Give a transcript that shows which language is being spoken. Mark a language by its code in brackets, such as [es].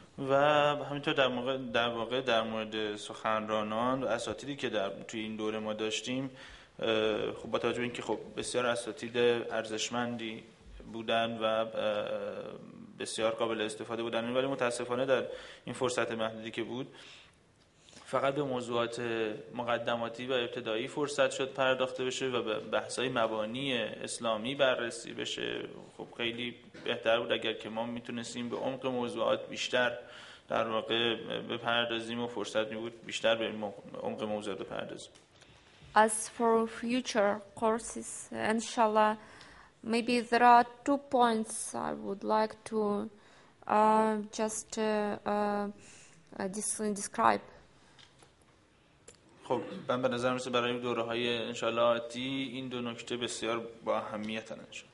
[fa] و همینطور در واقع در مورد سخنرانان و اساتیدی که در توی این دوره ما داشتیم خب با توجه به اینکه خب بسیار اساتید ارزشمندی بودن و بسیار قابل استفاده بودن ولی متاسفانه در این فرصت محدودی که بود فقط به موضوعات مقدماتی و ابتدایی فرصت شد پرداخته بشه و به بحث‌های مبانی اسلامی بررسی بشه. خب خیلی بهتر بود اگر که ما میتونستیم به عمق موضوعات بیشتر در واقع بپردازیم و فرصت می‌بود بیشتر به عمق موضوع بپردازیم. [en] As for future courses, inshallah, maybe there are two points I would like to describe. [fa] خب من به نظر میسه برای دوره‌های انشالاتی این دو نکته بسیار با اهمیت هستند.